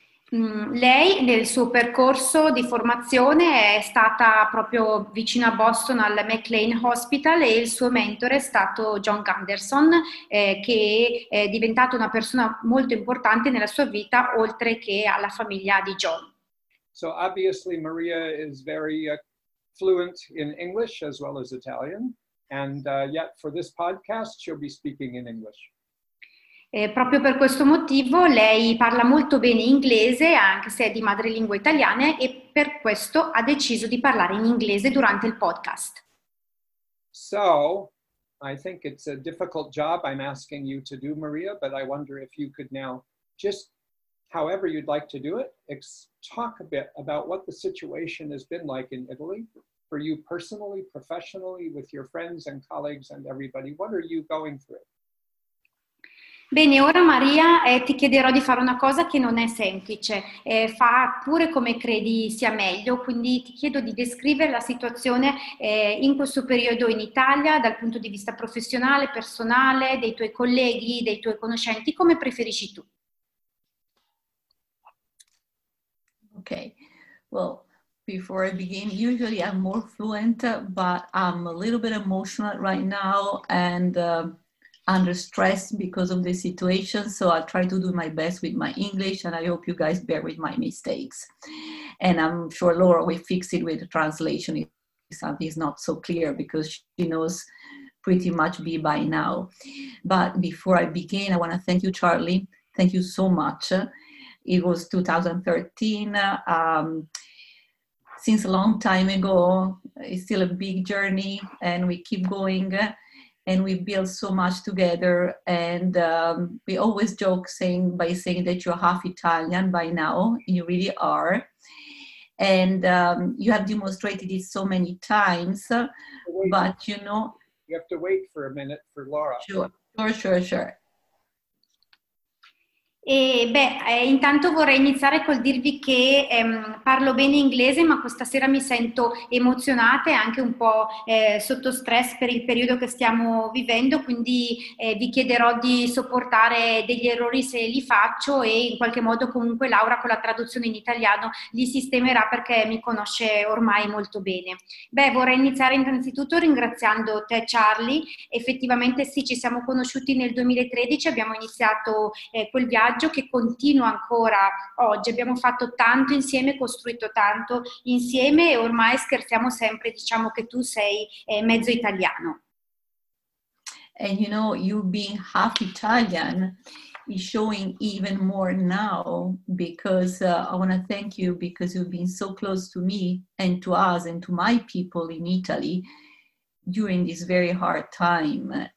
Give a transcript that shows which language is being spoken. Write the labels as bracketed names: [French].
[Italian] Lei nel suo percorso di formazione è stata proprio vicino a Boston al McLean Hospital e il suo mentore è stato John Gunderson che è diventato una persona molto importante nella sua vita oltre che alla famiglia di John. [English] So obviously Maria is very fluent in English as well as Italian and yet for this podcast she'll be speaking in English. [Italian] Proprio per questo motivo lei parla molto bene inglese, anche se è di madrelingua italiana, e per questo ha deciso di parlare in inglese durante il podcast. [English] So, I think it's a difficult job I'm asking you to do, Maria, but I wonder if you could now, just however you'd like to do it, talk a bit about what the situation has been like in Italy for you personally, professionally, with your friends and colleagues and everybody. What are you going through? [Italian] Bene, ora Maria ti chiederò di fare una cosa che non è semplice, fa pure come credi sia meglio, quindi ti chiedo di descrivere la situazione in questo periodo in Italia dal punto di vista professionale, personale, dei tuoi colleghi, dei tuoi conoscenti, come preferisci tu. [English] Ok, well, before I begin, usually I'm more fluent, but I'm a little bit emotional right now and under stress because of the situation, so I'll try to do my best with my English and I hope you guys bear with my mistakes. And I'm sure Laura will fix it with the translation if something is not so clear, because she knows pretty much me by now. But before I begin, I want to thank you, Charlie. Thank you so much. It was 2013. Since a long time ago, it's still a big journey and we keep going. And we build so much together, and we always joke saying by saying that you're half Italian by now, and you really are. And you have demonstrated it so many times, but you know. You have to wait for a minute for Laura. Sure. [Italian] Intanto vorrei iniziare col dirvi che parlo bene inglese, ma questa sera mi sento emozionata e anche un po' sotto stress per il periodo che stiamo vivendo, quindi vi chiederò di sopportare degli errori se li faccio, e in qualche modo comunque Laura con la traduzione in italiano li sistemerà perché mi conosce ormai molto bene. Vorrei iniziare innanzitutto ringraziando te, Charlie. Effettivamente sì, ci siamo conosciuti nel 2013, abbiamo iniziato quel viaggio che continua ancora oggi. Abbiamo fatto tanto insieme, costruito tanto insieme, e ormai scherziamo sempre, diciamo che tu sei mezzo italiano. [English] And you know, you being half Italian is showing even more now, because I want to thank you, because you've been so close to me and to us and to my people in Italy during this very hard time.